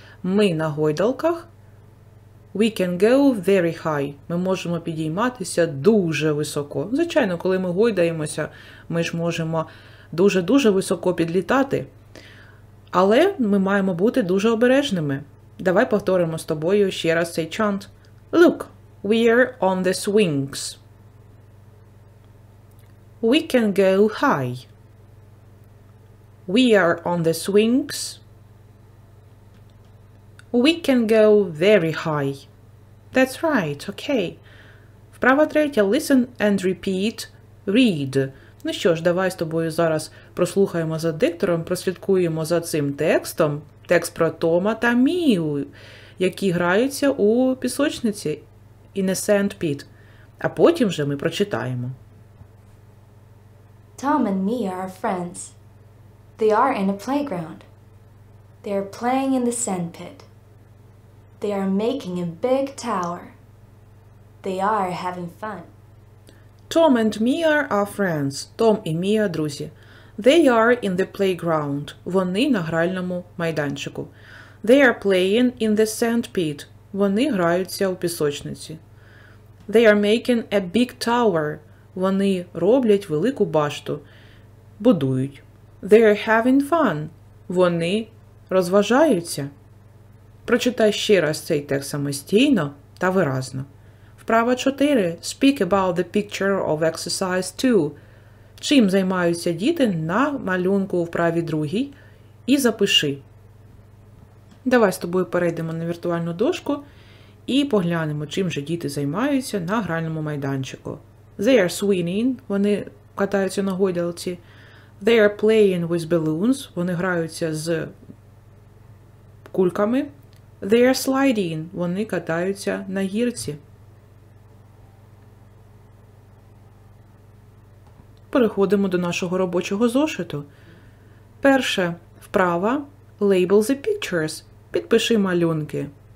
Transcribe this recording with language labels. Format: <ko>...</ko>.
<uk>Ми на гойдалках.</uk> <en>We can go very high.</en> <uk>Ми можемо підійматися дуже високо. Звичайно, коли ми гойдаємося, ми ж можемо дуже-дуже високо підлітати. Але ми маємо бути дуже обережними. Давай повторимо з тобою ще раз цей чант.</uk> <en>Look, we are on the swings. We can go high. We are on the swings. We can go very high. That's right, okay.</en> <uk>Вправа третя,</uk> <en>listen and repeat, read.</en> <uk>Ну що ж, давай з тобою зараз прослухаємо за диктором, прослідкуємо за цим текстом. Текст про Тома та Мію, які граються у пісочниці</uk> <en>in a sand pit.</en> <uk>А потім вже ми прочитаємо.</uk> <en>Tom and Mia are friends. They are in a playground. They are playing in the sand pit. They are making a big tower. They are having fun. Tom and Mia are friends.</en> <uk>Tom і Mia – друзі.</uk> <en>They are in the playground.</en> <uk>Вони на гральному майданчику.</uk> <en>They are playing in the sand pit.</en> <uk>Вони граються у пісочниці.</uk> <en>They are making a big tower.</en> <uk>Вони роблять велику башту, будують.</uk> <en>They are having fun.</en> <uk>Вони розважаються. Прочитай ще раз цей текст самостійно та виразно. Вправа 4.</uk> <en>Speak about the picture of exercise 2.</en> <uk>Чим займаються діти на малюнку у вправі 2? І запиши. Давай з тобою перейдемо на віртуальну дошку і поглянемо, чим же діти займаються на гральному майданчику.</uk> <en>They are swinging,</en> <uk>вони катаються на гойдалці.</uk> <en>They are playing with balloons,</en> <uk>вони граються з кульками.</uk> <en>They are sliding,</en> <uk>вони катаються на гірці. Переходимо до нашого робочого зошиту. Перше, вправа,</uk> <en>label the pictures,</en> <uk>підпиши малюнки.</uk>